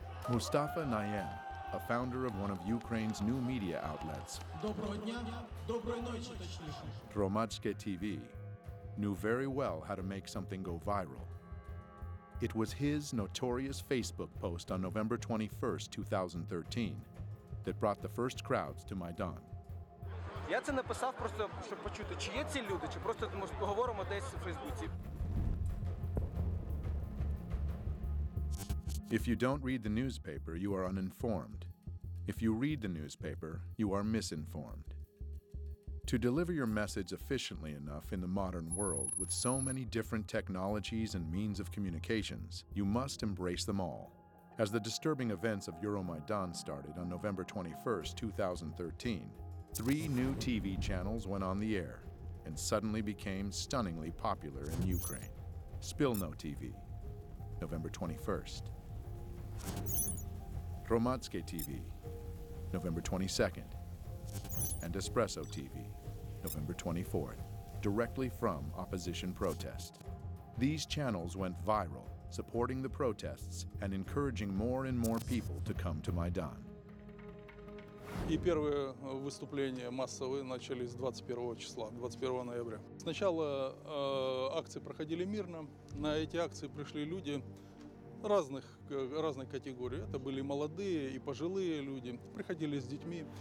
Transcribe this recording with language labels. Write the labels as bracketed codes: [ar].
[en] Mustafa Nayem, a founder of one of Ukraine's new media outlets, Romatske TV, knew very well how to make something go viral. It was his notorious Facebook post on November 21st, 2013, that brought the first crowds to Maidan. [uk] Я це написав просто, щоб почути, чи є ці люди, чи просто ми поговоримо десь у Фейсбуці. [en] If you don't read the newspaper, you are uninformed. If you read the newspaper, you are misinformed. To deliver your message efficiently enough in the modern world with so many different technologies and means of communications, you must embrace them all. As the disturbing events of Euromaidan started on November 21st, 2013, three new TV channels went on the air and suddenly became stunningly popular in Ukraine. Spilno TV, November 21st. Romatske TV, November 22nd. And Espresso TV, November 24th, directly from opposition protest. These channels went viral, supporting the protests and encouraging more and more people to come to Maidan. [ru] И первые выступления массовые начались 21 числа, 21 ноября. Сначала акции проходили мирно. На эти акции пришли люди, разной категории. Это были молодые и пожилые люди, приходили с детьми.